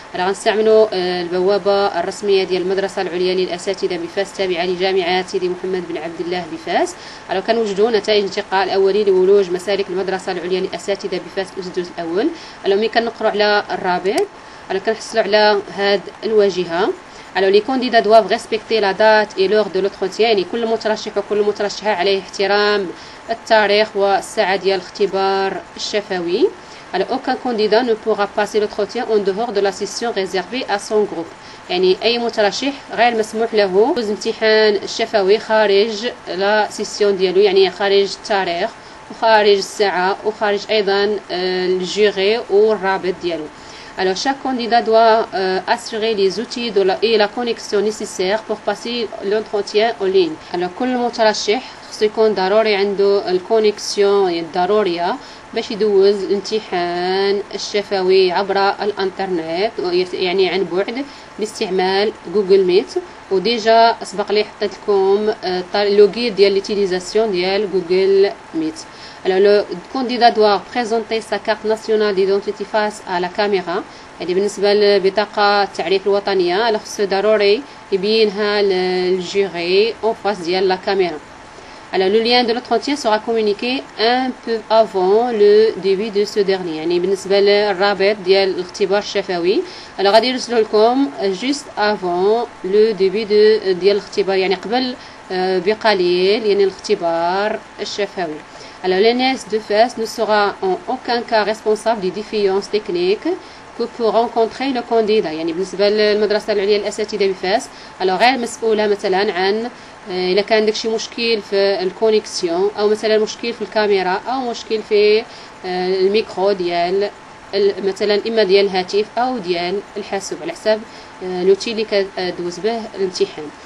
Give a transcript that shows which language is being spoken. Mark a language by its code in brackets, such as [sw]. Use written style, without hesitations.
[ar] راح نستعملوا البوابة الرسمية ديال المدرسة العليا للأساتذة بفاس التابعة لجامعة سيدي محمد بن عبد الله بفاس. لو كان وجدوا نتائج الانتقاء الأولي لولوج مسالك المدرسة العليا للأساتذة بفاس الأسدوس الأول، لو مين كنقروا على الرابع، لو كنحصلوا على هاد الواجهة. [fr] Alors, les candidats doivent respecter la date et l'heure de l'entretien. [ar] Et كل مترشح وكل مترشحة عليه احترام التاريخ والساعة ديال الاختبار الشفوي. [fr] Alors, aucun candidat ne pourra passer l'entretien en dehors de la session réservée à son groupe. [ar] يعني أي مترشح غير مسموح له يجوز الامتحان الشفوي خارج لا سيسيون ديالو، يعني خارج التاريخ وخارج الساعة وخارج أيضا الجوري والرابط ديالو. [fr] Alors, chaque candidat doit assurer les outils de la, et la connexion nécessaires pour passer l'entretien en ligne. [ar] Alors, كل مترشح خصو يكون ضروري عنده الكونيكسيون الضرورية باش يدوز الامتحان الشفوي عبر الانترنت، يعني عن بعد باستعمال جوجل ميت. وديجا سبق لي حطيت لكم لو غيد ديال ليتيليزاسيون ديال جوجل ميت. [fr] Alors, le candidat doit présenter sa carte nationale d'identité face à la caméra. [ar] يعني بالنسبة لبطاقة التعريف الوطنية خصو ضروري يبينها للجوري اون فاس ديال لا كاميرا. [fr] Alors, le lien de l'entretien sera communiqué un peu avant le début de ce dernier. [ar] يعني بالنسبة للرابط ديال الاختبار الشفوي alors غادي يرسلو لكم [fr] juste avant le début de [ar] ديال الاختبار، يعني قبل بقليل يعني الاختبار الشفوي. [fr] Alors, l'ENS de Fès ne sera en aucun cas responsable des déficiences techniques que peut rencontrer le candidat. [ar] يعني بالنسبة للمدرسة العليا للأساتذة بفاس، alors غير مسؤولة مثلا عن إذا كان عندك شي مشكل في الكونيكسيون أو مثلا مشكل في الكاميرا أو مشكل في الميكرو ديال مثلا إما ديال الهاتف أو ديال الحاسوب على حسب لوتي اللي كدوز به الامتحان.